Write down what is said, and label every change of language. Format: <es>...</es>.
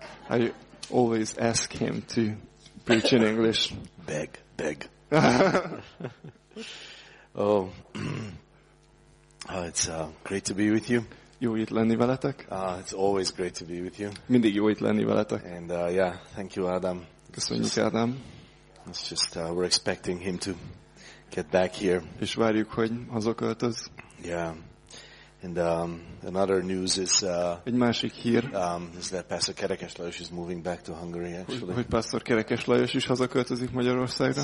<en>I always ask him to preach in English. Beg. Oh. It's great to be with you.</en> <hu>Jó itt lenni veletek.</hu> <en>It's always great to be with you.</en> <hu>Mindig jó itt lenni veletek.</hu> <en>And yeah, thank you, Adam.</en> <hu>Köszönjük, Adam.</hu> <en>It's just we're expecting him to get back here.</en> <hu>És várjuk, hogy hazaköltöz.</hu> <en>Yeah. And another news is</en> <hu>egy másik hír.</hu> <en>Is that Pastor Kerekes Lajos is moving back to Hungary actually.</en> <hu>Hogy Pastor Kerekes Lajos is hazaköltözik Magyarországra.</hu>